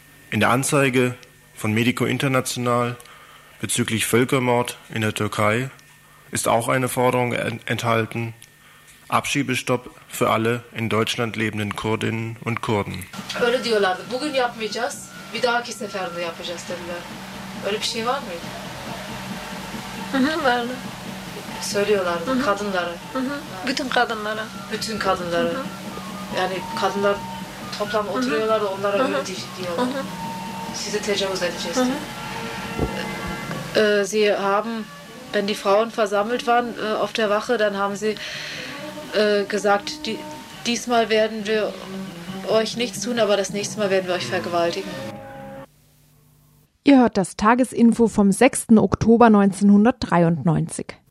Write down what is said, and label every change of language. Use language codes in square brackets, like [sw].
[de] In der Anzeige von Medico International bezüglich Völkermord in der Türkei ist auch eine Forderung enthalten, Abschiebestopp für alle in Deutschland lebenden Kurdinnen und Kurden. [tr] Öyle diyorlardı. Bugün yapmayacağız. Bir dahaki seferde yapacağız dediler. Öyle bir şey var mıydı? Vardı. Söylüyorlardı kadınlara. Bütün kadınlara. Bütün kadınlara. Yani kadınlar toplam oturuyorlardı onlara öyle diyorlar. Sizi tecavüz edeceğiz diye. [de] Sie haben, wenn die Frauen versammelt waren auf der Wache, dann haben sie gesagt, diesmal werden wir euch nichts tun, aber das nächste Mal werden wir euch vergewaltigen. Ihr hört das Tagesinfo vom 6. Oktober 1993.